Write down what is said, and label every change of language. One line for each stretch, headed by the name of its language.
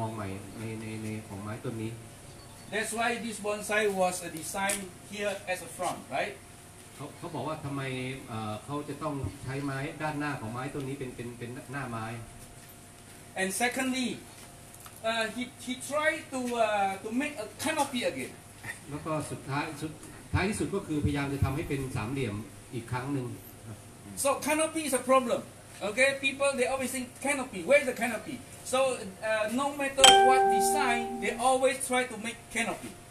Thai: ก็เขาบอกว่ามันดูเหมือนง่ายเกินไปในการทำไม้ตกกระถางนะฮะมีซ้ายขวาซึ่งเราซึ่งโดยปกติชอบทำกันนะฮะเขาก็จะเปลี่ยนมุมมองใหม่ในของไม้ต้นนี้
English: That's why this bonsai was designed here as a front, right?
Thai: เขาบอกว่าทำไมเขาจะต้องใช้ไม้ด้านหน้าของไม้ต้นนี้เป็นหน้าไม้
English: And secondly, he tried to make a canopy again.
Thai: แล้วก็สุดท้ายที่สุดก็คือพยายามจะทำให้เป็นสามเหลี่ยมอีกครั้งหนึ่ง
English: So canopy is a problem, okay? People they always think canopy. Where is the canopy? So no matter what design, they always try to make canopy.